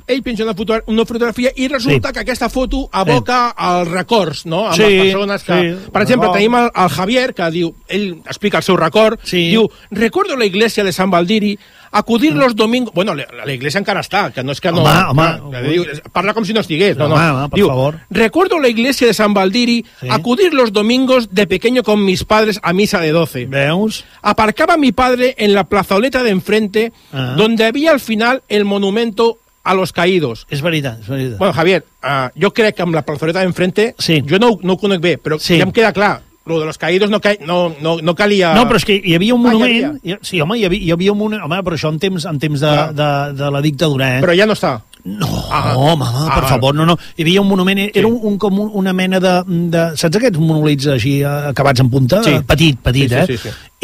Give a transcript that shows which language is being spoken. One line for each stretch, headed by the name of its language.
Catalan: Ell penja una fotografia i resulta que aquesta foto evoca els records, no? Amb les persones que... Per exemple, tenim el Javier, que diu, ell explica el seu record, diu, recordo
Spanish: la iglesia de Sant Baldiri acudir los domingos...
Catalan: Bueno,
Spanish: la iglesia
Catalan: encara està, que no és que no... Home, home... Parla com si no estigués. No, home, home, per favor.
Spanish: Recuerdo la iglesia de Sant Baldiri acudir los domingos de pequeño con mis padres a misa de 12.
Catalan: Veus?
Spanish: Aparcaba mi padre en la plazoleta de enfrente donde había al final el monumento a los caídos.
Catalan: És veritat, és veritat. Bueno, Javier, jo crec que amb la
Spanish: plazoleta de enfrente...
Catalan: Sí. Jo no ho conec bé, però ja em queda clar...
Spanish: Lo de los caídos
Catalan: no calia... No, però és que hi havia un monument... Sí, home, hi havia un monument... Home, però això en temps de la dictadura, Però ja no està. No, home, per favor, no. Hi havia un monument... Era com una mena de... Saps aquests monolits així acabats en punta? Sí. Petit, sí, sí, sí, sí.